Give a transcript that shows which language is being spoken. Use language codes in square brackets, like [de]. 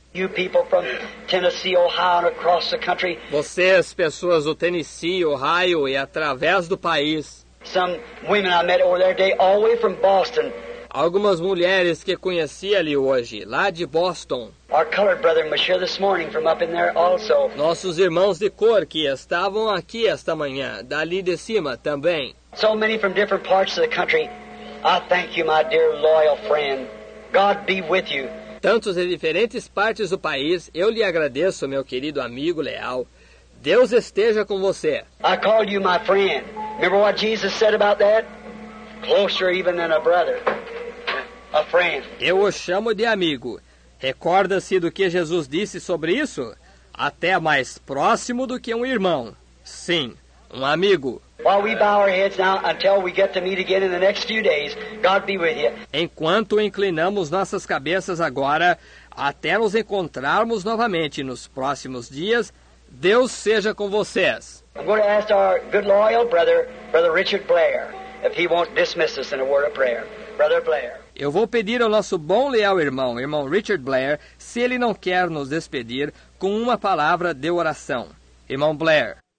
[en] You people from Tennessee, Ohio, and across the country. [pt] Vocês, pessoas do Tennessee, Ohio e através do país. [en] Some women I met over there today, all the way from Boston. [pt] Algumas mulheres que conheci ali hoje, lá de Boston. [en] Our colored brother Michelle this morning from up in there also. [pt] Nossos irmãos de cor que estavam aqui esta manhã, dali de cima também. [en] So many from different parts of the country. I thank you, my dear loyal friend. God be with you. [pt] Tantos de diferentes partes do país, eu lhe agradeço, meu querido amigo leal. Deus esteja com você. [en] I called you my friend. Remember what Jesus said about that? Closer even than a brother. A friend. [pt] Eu o chamo de amigo. Recorda-se do que Jesus disse sobre isso? Até mais próximo do que um irmão. Sim, um amigo. [en] While we bow our heads now until we get to meet again in the next few days, God be with you. [pt] Enquanto inclinamos nossas cabeças agora, até nos encontrarmos novamente nos próximos dias, Deus seja com vocês. [en] I'm going to ask our good loyal brother, Brother Richard Blair, if he won't dismiss us in a word of prayer. Brother Blair. [pt] Eu vou pedir ao nosso bom leal irmão, irmão Richard Blair, se ele não quer nos despedir com uma palavra de oração. Irmão Blair.